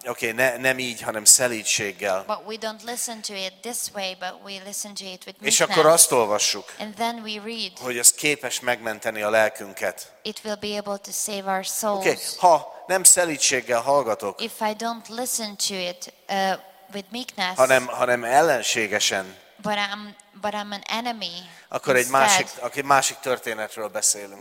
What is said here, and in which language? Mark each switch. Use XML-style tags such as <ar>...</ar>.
<hu>Okay, nem így, hanem szelítséggel.</hu> <en>But we don't listen to it this way, but we listen to it with meekness.</en> <hu>És akkor azt olvassuk,</hu> <en>and then we read,</en> <hu>hogy az képes megmenteni a lelkünket.</hu> <en>It will be able to save our souls.</en> <hu>Okay, ha nem szelítséggel hallgatok.</hu> <en>If I don't listen to it with meekness.</en> <hu>Hanem ellenségesen.</hu> <en>but I'm an enemy.</en> <hu>Akkor egy másik, aki másik történetről beszélünk.</hu>